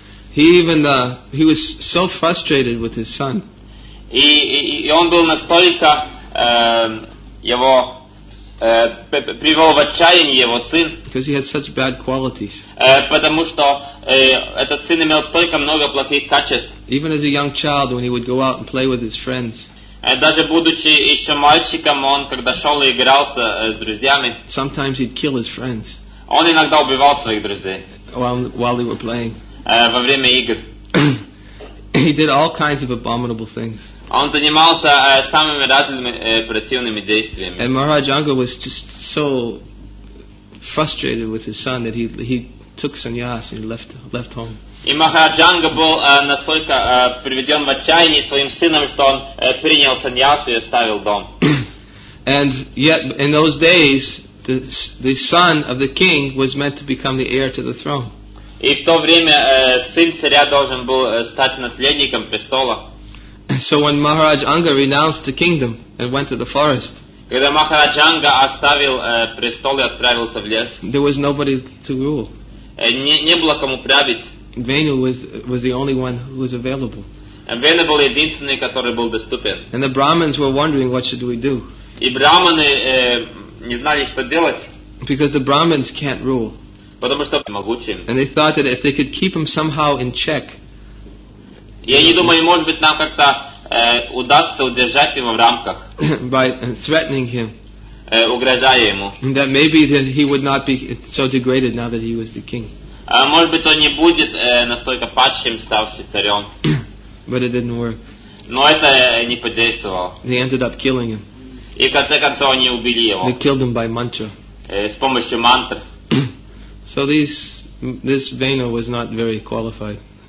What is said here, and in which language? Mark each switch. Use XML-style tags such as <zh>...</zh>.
<en>He was so frustrated with his son.</en> <ru>И он был настолько его привел в отчаяние его сын.</ru> <en>Because he had such bad qualities.</en> <ru>Потому что этот сын имел столько много плохих качеств.</ru> <en>Even as a young child, when he would go out and play with his friends.</en> <ru>Даже будучи еще мальчиком, он когда шел и игрался с друзьями.</ru> <en>Sometimes he'd kill his friends.</en> <ru>Он иногда убивал своих друзей.</ru> <en>While they were playing.</en> <ru>Во время игр.</ru> <en>He did all kinds of abominable things.</en> <ru>Он занимался самыми разными противными действиями.</ru> <en>And Maharaj Anga was just so frustrated with his son that he took sannyas and left home.</en> <ru>И Махарадж Анга был настолько приведен в отчаяние своим сыном, что он принял саньяс и оставил дом.</ru> <en>And yet, in those days, the son of the king was meant to become the heir to the throne.</en> <ru>И в то время сын царя должен был стать наследником престола.</ru> <en>So when Maharaj Anga renounced the kingdom and went to the forest,</en> <ru>когда Махарадж Анга оставил престол и отправился в лес,</ru> <en>there was nobody to rule.</en> <ru>Не было кому править.</ru> <en>Venu was the only one who was available. And</en> <ru>Venu был единственный, который был доступен.</ru> <en>And the Brahmins were wondering, what should we do?</en> <ru>И Брахманы не знали, что делать.</ru> <en>Because the Brahmins can't rule.</en> <ru>Потому что могучим.</ru> <en>And they thought that if they could keep him somehow in check.</en> <ru>И они думали, может быть, нам как-то удастся удержать его в рамках.</ru> <en>By threatening him.</en> <ru>Угрожая ему.</ru> <en>That maybe then he would not be so degraded now that he was the king.</en> <ru>А может быть, он не будет настолько падшим, ставший царем.</ru> <en>But it didn't work.</en> <ru>Но это не подействовало.</ru> <en>They ended up killing him.</en> <ru>И в конце концов они убили его.</ru> <en>They killed him by mantra.</en> <ru>С помощью мантр.</ru> <en>So this Venu was not very qualified.</en>